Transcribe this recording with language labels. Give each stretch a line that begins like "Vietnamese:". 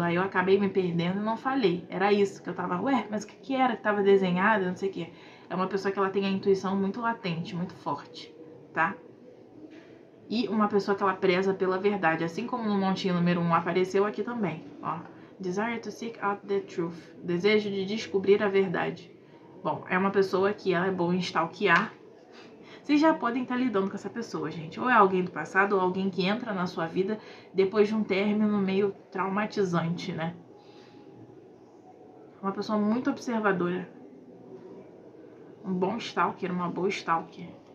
Portuguese: Aí eu acabei me perdendo e não falei. Era isso que eu tava, ué, mas o que, que era que tava desenhado, não sei o quê. É uma pessoa que ela tem a intuição muito latente, muito forte, tá? E uma pessoa que ela preza pela verdade. Assim como no montinho número 1 apareceu aqui também, ó.
English: Desire to seek out the truth.
Portuguese: Desejo de descobrir a verdade. Bom, é uma pessoa que ela é boa em stalkear. Vocês já podem estar lidando com essa pessoa, gente. Ou é alguém do passado, ou alguém que entra na sua vida depois de um término meio traumatizante, né? Uma pessoa muito observadora. Um bom stalker, uma boa stalker.